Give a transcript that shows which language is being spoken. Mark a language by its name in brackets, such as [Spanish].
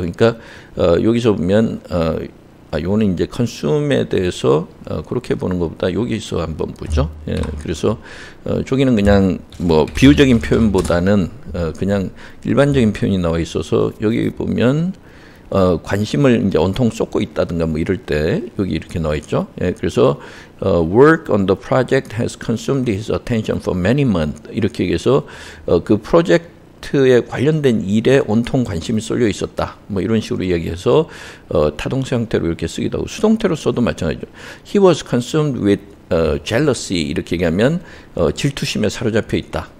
[Korean] 그러니까 여기서 보면 요거는 이제 consume에 대해서 그렇게 보는 것보다 여기서 한번 보죠. 예, 그래서 저기는 그냥 뭐 비유적인 표현보다는 그냥 일반적인 표현이 나와 있어서 여기 보면 관심을 이제 온통 쏟고 있다든가 뭐 이럴 때 여기 이렇게 나와 있죠. 예, 그래서 [English] work on the project has consumed his attention for many months. [Korean] 이렇게 얘기해서 그 프로젝트에 관련된 일에 온통 관심이 쏠려 있었다. 뭐 이런 식으로 이야기해서 타동사 형태로 이렇게 쓰기도 하고 수동태로 써도 마찬가지죠. [English] He was consumed with [Korean] jealousy 이렇게 얘기하면 질투심에 사로잡혀 있다.